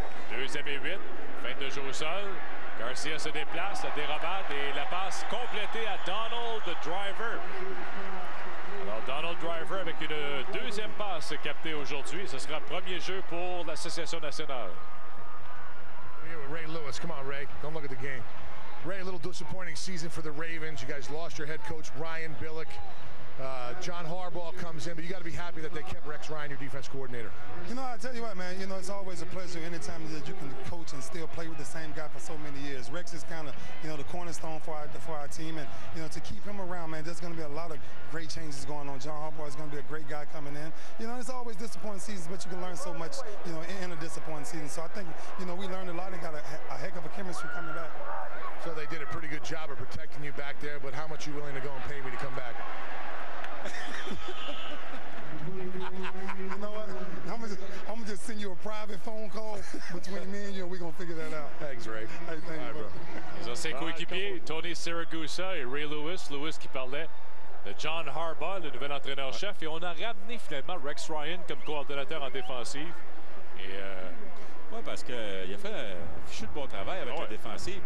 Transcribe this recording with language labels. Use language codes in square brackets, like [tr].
[fr] Deuxième et 8. Fin de jeu au sol. Garcia se déplace, la dérobade et la passe complétée à Donald Driver. Alors, Donald Driver avec une deuxième passe captée aujourd'hui. Ce sera le premier jeu pour l'Association nationale. [en] We're here with Ray Lewis. Come on, Ray. Don't look at the game. Ray, a little disappointing season for the Ravens. You guys lost your head coach, Ryan Billick. John Harbaugh comes in, but you got to be happy that they kept Rex Ryan, your defense coordinator. You know, I tell you what, man, you know, it's always a pleasure anytime that you can coach and still play with the same guy for so many years. Rex is kind of, you know, the cornerstone for our team, and, you know, to keep him around, man, there's going to be a lot of great changes going on. John Harbaugh is going to be a great guy coming in. You know, it's always disappointing seasons, but you can learn so much, you know, in a disappointing season. So I think, you know, we learned a lot and got a heck of a chemistry coming back. So they did a pretty good job of protecting you back there, but how much are you willing to go and pay me to come back? You know what? I'm gonna just send you a private phone call between me and you, and we're gonna figure that out. Thanks, Ray. Hey, thank you, bro. [fr] Ils ont ses coéquipiers, Tony Siragusa et Ray Lewis. Lewis qui parlait de John Harbaugh, le nouvel entraîneur-chef. Et on a ramené finalement Rex Ryan comme coordonnateur en défensive. Oui, parce qu'il a fait un fichu de bon travail avec la défensive.